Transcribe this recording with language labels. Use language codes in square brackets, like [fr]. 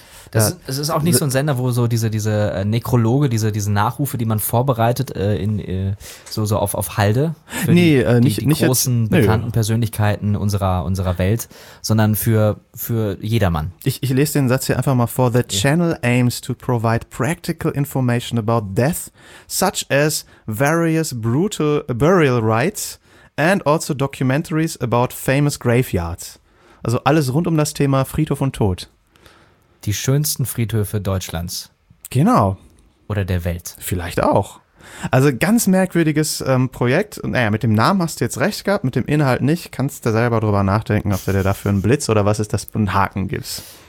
[de] Es ist auch nicht so ein Sender, wo so diese Nekrologe, diese Nachrufe, die man vorbereitet auf Halde für nicht großen, bekannten Persönlichkeiten unserer Welt, sondern für jedermann. Ich lese den Satz hier einfach mal vor. [en] The channel aims to provide practical information about death, such as various brutal burial rites and also documentaries about famous graveyards. [de] Also alles rund um das Thema Friedhof und Tod. Die schönsten Friedhöfe Deutschlands. Genau. Oder der Welt. Vielleicht auch. Also ganz merkwürdiges Projekt. Naja, mit dem Namen hast du jetzt recht gehabt, mit dem Inhalt nicht. Kannst du selber drüber nachdenken, ob du dir dafür einen Blitz oder was ist das für einen Haken gibst.